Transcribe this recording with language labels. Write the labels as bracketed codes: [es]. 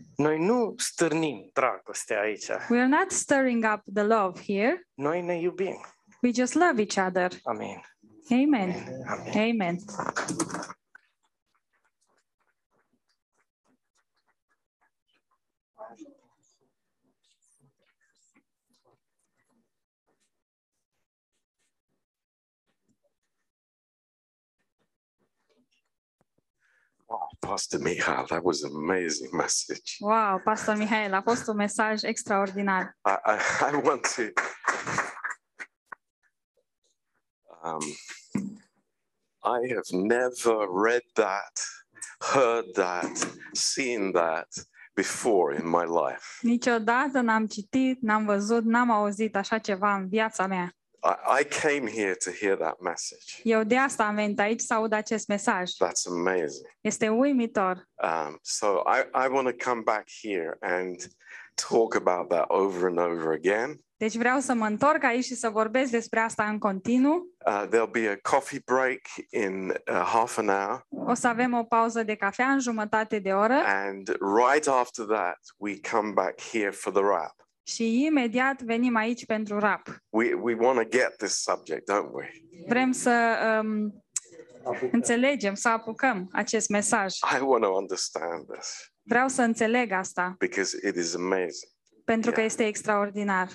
[ro] Noi nu stârnim dragostea aici. [en] We are not stirring up the love here. [ro] Noi ne iubim. [en] We just love each other. Amen. Amen. Amen. Amen. Pastor Mihail, that was an amazing message. [ro] Wow, Pastor Mihail, a fost un mesaj extraordinar. [en] I want to I have never read that, heard that, seen that before in my life. [ro] Niciodată n-am citit, n-am văzut, n-am auzit așa ceva în viața mea. [en] I came here to hear that message. [ro] Eu de asta am venit aici să aud acest mesaj. [en] That's amazing. [ro] Este uimitor. [en] So I want to come back here and talk about that over and over again. [ro] Deci vreau să mă întorc aici și să vorbesc despre asta în continuu. [en] There'll be a coffee break in half an hour. [ro] O să avem o pauză de cafea în jumătate de oră. [en] And right after that we come back here for the wrap. [ro] Și imediat venim aici pentru rap. [en] We want to get this subject, don't we? [ro] Vrem să înțelegem, să apucăm acest mesaj. [en] I want to understand this. [ro] Vreau să înțeleg asta. [en] Because it is amazing. [ro] Pentru că este extraordinar.